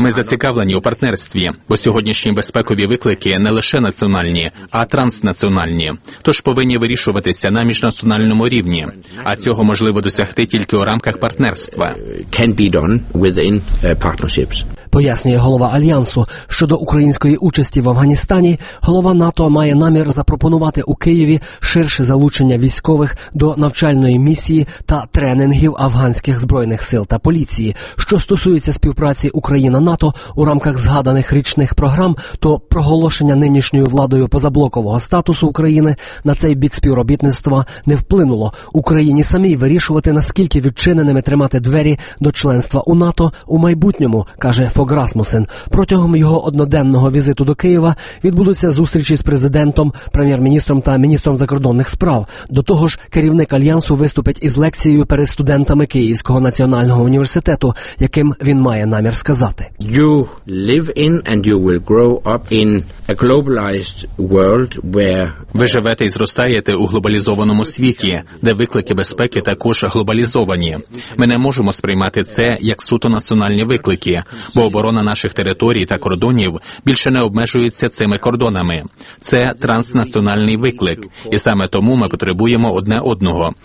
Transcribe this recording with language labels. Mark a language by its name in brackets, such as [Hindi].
[Ukrainian] Ми зацікавлені у партнерстві, бо сьогоднішні безпекові виклики не лише національні, а транснаціональні. Тож повинні вирішуватися на міжнаціональному рівні, а цього можливо досягти тільки у рамках партнерства. [English] Can be done within partnerships. [Ukrainian] Пояснює голова Альянсу, щодо української участі в Афганістані, голова НАТО має намір запропонувати у Києві ширше залучення військових до навчальної місії та тренінгів афганських збройних сил та поліції. Що стосується співпраці Україна-НАТО у рамках згаданих річних програм, то проголошення нинішньою владою позаблокового статусу України на цей бік співробітництва не вплинуло. Україні самій вирішувати, наскільки відчиненими тримати двері до членства у НАТО у майбутньому, каже Фог Расмусен. Протягом його одноденного візиту до Києва відбудуться зустрічі з президентом, прем'єр-міністром та міністром закордонних справ. До того ж, керівник Альянсу виступить із лекцією перед студентами Київського національного університету, яким він має намір сказати. [English] You live in and you will grow up in a globalized world where... [Ukrainian] Ви живете і зростаєте у глобалізованому світі, де виклики безпеки також глобалізовані. Ми не можемо сприймати це як суто національні виклики, бо оборона наших територій та кордонів більше не обмежується цими кордонами. Це транснаціональний виклик, і саме тому ми потребуємо одне одного.